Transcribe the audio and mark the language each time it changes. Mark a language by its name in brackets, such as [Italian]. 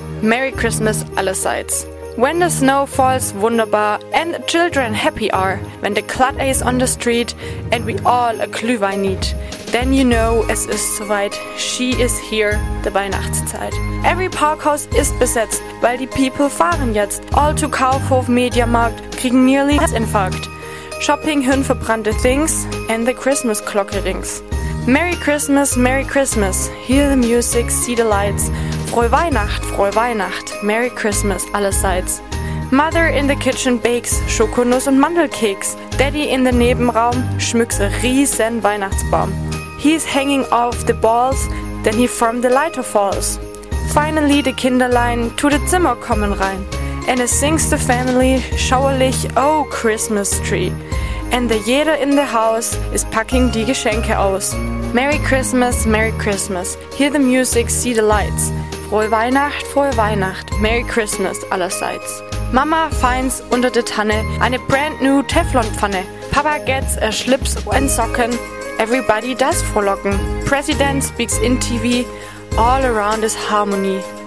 [English] Merry Christmas allerseits. When the snow falls wunderbar and the children happy are, when the clod is on the street and we all a Glühwein need, then you know [German] es ist soweit, [English] she is here, the Weihnachtszeit. Every parkhouse [German] ist besetzt, weil die [English] people [German] fahren jetzt, [English] all to Kaufhof, Mediamarkt, kriegen nearly Herzinfarkt, shopping hirnverbrannte things and the Christmas clock rings. Merry Christmas, Merry Christmas, hear the music, see the lights. [German] Frohe Weihnacht, [English] Merry Christmas [German] allerseits. [English] Mother in the kitchen bakes [German] Schokonuss und Mandelkeks. [English] Daddy in the [German] Nebenraum schmückt riesen Weihnachtsbaum. [English] He's hanging off the balls, then he from the lighter falls. Finally the Kinderlein to the [German] Zimmer kommen rein. [English] And it sings the family schauerlich, oh Christmas tree. And the jeder in the house is packing [German] die Geschenke aus. [English] Merry Christmas, Merry Christmas, hear the music, see the lights. [German] Frohe Weihnacht, [English] Merry Christmas [German] allerseits. [English] Mama finds [German] unter der Tanne eine [English] brand new [German] Teflonpfanne. [English] Papa gets a [German] Schlips [English] and Socken, everybody does [German] frohlocken. [English] President speaks in TV, all around is harmony.